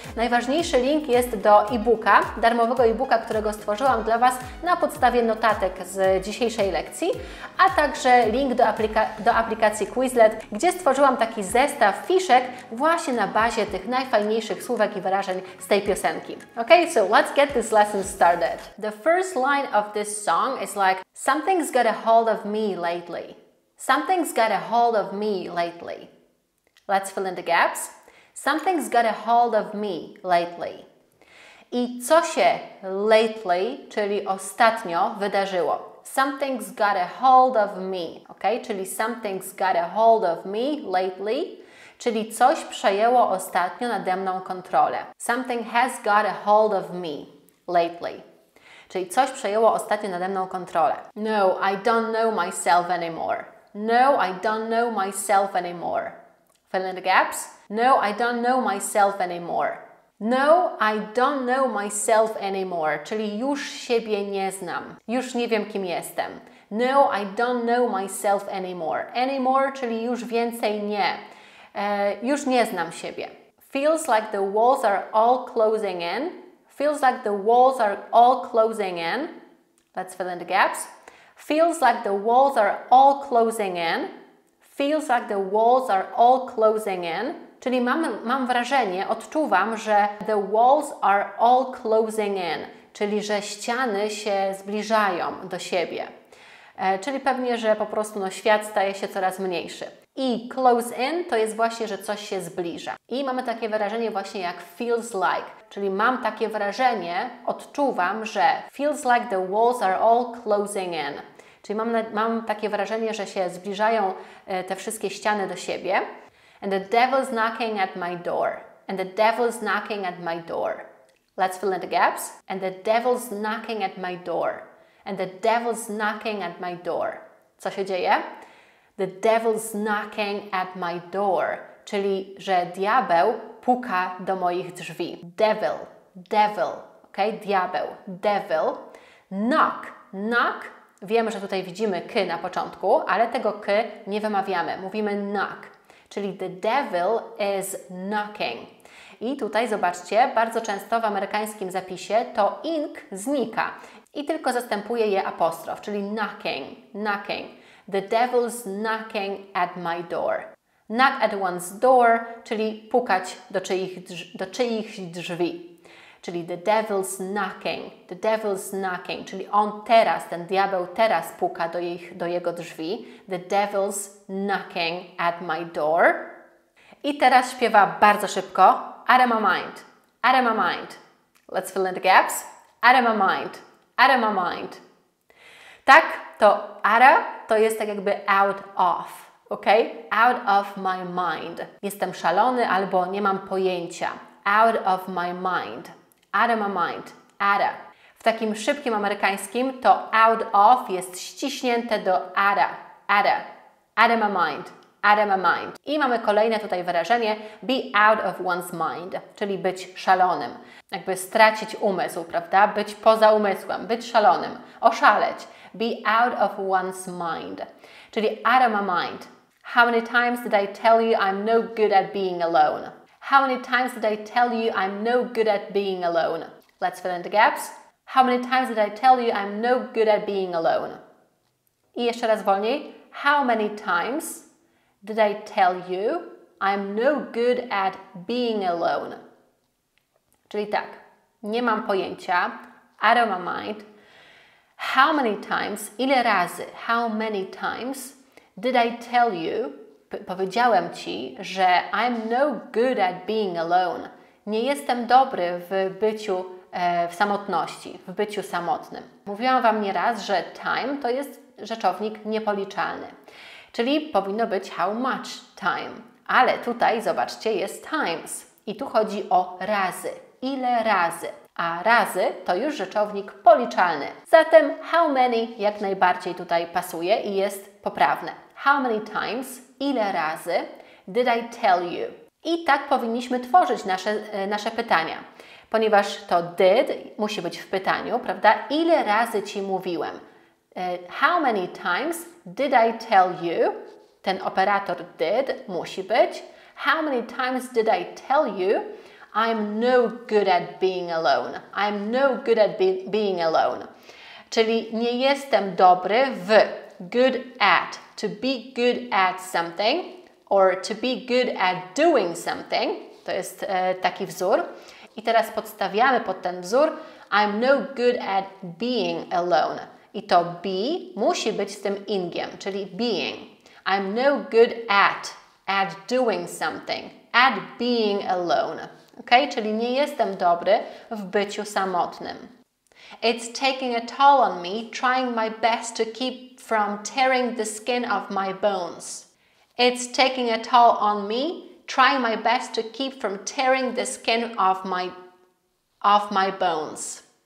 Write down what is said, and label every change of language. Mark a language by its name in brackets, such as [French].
[Polish] Najważniejszy link jest do e-booka, darmowego e-booka, którego stworzyłam dla Was na podstawie notatek z dzisiejszej lekcji, a także link do aplikacji Quizlet, gdzie stworzyłam taki zestaw fiszek właśnie na bazie tych najfajniejszych słówek i wyrażeń z tej piosenki. [English] Okay, so let's get this lesson started. The first line of this song is like something's got a hold of me lately. Something's got a hold of me lately. Let's fill in the gaps. Something's got a hold of me lately. [Polish] I co się lately, czyli ostatnio, wydarzyło? [English] Something's got a hold of me. Okay, czyli something's got a hold of me lately. [Polish] Czyli coś przejęło ostatnio nade mną kontrolę. [English] Something has got a hold of me lately. [Polish] Czyli coś przejęło ostatnio nade mną kontrolę. [English] No, I don't know myself anymore. No, I don't know myself anymore. Fill in the gaps. No, I don't know myself anymore. No, I don't know myself anymore. [Polish] Czyli już siebie nie znam. Już nie wiem, kim jestem. [English] No, I don't know myself anymore. [Polish] Anymore, czyli już więcej nie. Już nie znam siebie. [English] Feels like the walls are all closing in. Feels like the walls are all closing in. Let's fill in the gaps. Feels like the walls are all closing in. Feels like the walls are all closing in. [Polish] Czyli mam wrażenie, odczuwam, że [English] the walls are all closing in. [Polish] Czyli że ściany się zbliżają do siebie. Czyli pewnie, że po prostu no, świat staje się coraz mniejszy. I close in to jest właśnie, że coś się zbliża. I mamy takie wyrażenie właśnie jak feels like. Czyli mam takie wrażenie, odczuwam, że [English] feels like the walls are all closing in. [Polish] Czyli mam takie wrażenie, że się zbliżają te wszystkie ściany do siebie. [English] And the devil's knocking at my door. And the devil's knocking at my door. Let's fill in the gaps. And the devil's knocking at my door. And the devil's knocking at my door. [Polish] Co się dzieje? [English] The devil's knocking at my door. [Polish] Czyli, że diabeł puka do moich drzwi. [English] Devil. Devil. Ok? Diabeł. Devil. Knock. Knock. [Polish] Wiemy, że tutaj widzimy k na początku, ale tego k nie wymawiamy. Mówimy knock. Czyli [English] the devil is knocking. [Polish] I tutaj zobaczcie, bardzo często w amerykańskim zapisie to ing znika i tylko zastępuje je apostrof, czyli knocking. [English] Knocking. The devil's knocking at my door. Knock at one's door, [Polish] czyli pukać do czyichś drzwi. [English] Czyli the devil's knocking. The devil's knocking. [Polish] Czyli on teraz, ten diabeł teraz puka do jego drzwi. [English] The devil's knocking at my door. [Polish] I teraz śpiewa bardzo szybko. [English] Out of my mind. Out of my mind. Let's fill in the gaps. Out of my mind. Out of my mind. [Polish] Tak, to out of to jest tak jakby out of, ok? [English] Out of my mind. [Polish] Jestem szalony albo nie mam pojęcia. [English] Out of my mind. Out of my mind. Out of. [Polish] W takim szybkim amerykańskim to out of jest ściśnięte do [English] out of. Out of. Out of my mind. Out of my mind. [Polish] I mamy kolejne tutaj wyrażenie [English] be out of one's mind, [Polish] czyli być szalonym. Jakby stracić umysł, prawda? Być poza umysłem, być szalonym, oszaleć. [English] Be out of one's mind. Czyli out of my mind. How many times did I tell you I'm no good at being alone? How many times did I tell you I'm no good at being alone? Let's fill in the gaps. How many times did I tell you I'm no good at being alone? [Polish] I jeszcze raz wolniej. [English] How many times did I tell you I'm no good at being alone. [Polish] Czyli tak, nie mam pojęcia, [English] I don't have mind. How many times, [Polish] ile razy, [English] how many times did I tell you, [Polish] powiedziałem Ci, że [English] I'm no good at being alone. [Polish] Nie jestem dobry w byciu w samotności, w byciu samotnym. Mówiłam Wam nieraz, że time to jest rzeczownik niepoliczalny. Czyli powinno być [English] how much time. [Polish] Ale tutaj, zobaczcie, jest times. I tu chodzi o razy. Ile razy? A razy to już rzeczownik policzalny. Zatem how many jak najbardziej tutaj pasuje i jest poprawne. [English] How many times, [Polish] ile razy, [English] did I tell you? [Polish] I tak powinniśmy tworzyć nasze pytania. Ponieważ to did musi być w pytaniu, prawda? Ile razy Ci mówiłem? [English] How many times did I tell you? [Polish] Ten operator did musi być. [English] How many times did I tell you? I'm no good at being alone. I'm no good at being alone. [Polish] Czyli nie jestem dobry w good at. [English] To be good at something or to be good at doing something. [Polish] To jest taki wzór. I teraz podstawiamy pod ten wzór [English] I'm no good at being alone. [Polish] I to be musi być z tym ingiem, czyli being. [English] I'm no good at doing something, at being alone. Ok? [Polish] Czyli nie jestem dobry w byciu samotnym. [English] It's taking a toll on me, trying my best to keep from tearing the skin off my bones. It's taking a toll on me, trying my best to keep from tearing the skin off my bones.